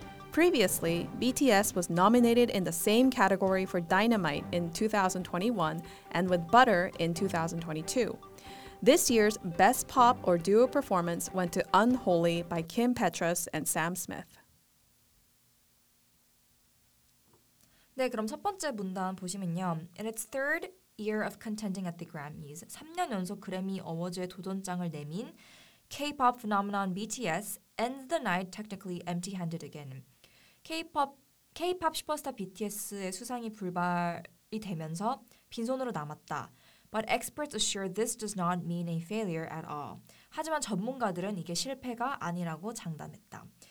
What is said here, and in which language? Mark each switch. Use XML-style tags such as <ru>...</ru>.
<en>Previously, BTS was nominated in the same category for Dynamite in 2021 and with Butter in 2022. This year's Best Pop or Duo Performance went to Unholy by Kim Petras and Sam Smith.</en> <ko>네, 그럼 첫 번째 문단 보시면요.</ko> <en>In its third year of contending at the Grammys,</en> <ko>3년 연속 그래미 어워즈에 도전장을 내민</ko> <en>K-pop phenomenon BTS ends the night technically empty-handed again.</en> <ko>K-pop 슈퍼스타 BTS의 수상이 불발이 되면서 빈손으로 남았다.</ko> <en>But experts assure this does not mean a failure at all.</en> <ko>하지만 전문가들은 이게 실패가 아니라고 장담했다.</ko>